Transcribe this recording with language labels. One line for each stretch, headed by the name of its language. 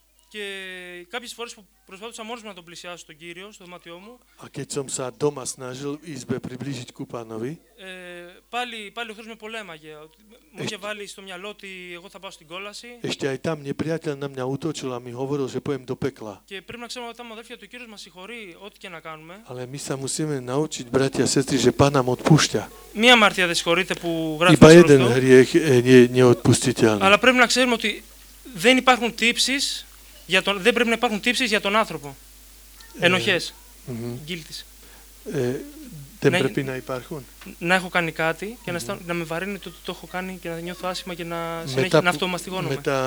Greek: Και κάποιες φορές που προσπάθησα μόνος μου να τον πλησιάσω τον Κύριο στο δωμάτιό μου.
Slovak: A keď som sa doma snažil v izbe priblížiť ku Pánovi.
Greek: Πάλι ο Θεός με πολέμαγε. Μου είχε βάλει στο μυαλό ότι εγώ θα πάω στην κόλαση.
Slovak: Ešte aj tam nepriateľ na mňa útočil a mi hovoril, že pôjdem do pekla.
Greek: Και πρέπει να ξέρουμε ότι ο αδελφός του Κύριου μας συγχωρεί ό,τι και να κάνουμε.
Slovak: Ale my sa musíme naučiť, bratia a sestry, že Pán nám odpúšťa.
Greek: Μία αμαρτία δεν συγχωρείται που γράφει.
Slovak: Iba jeden hriech je neodpustiteľný.
Greek: Αλλά πρέπει να ξέρουμε ότι δεν υπάρχουν τύψεις. Δεν πρέπει να υπάρχουν τύψεις για τον άνθρωπο. Ενοχές. Γκίλτις. Δεν πρέπει να υπάρχουν. Να έχω κάνει κάτι και να με βαραίνει ότι το έχω κάνει και να νιώθω άσχημα και να συνέχει να αυτομαστιγώνομαι.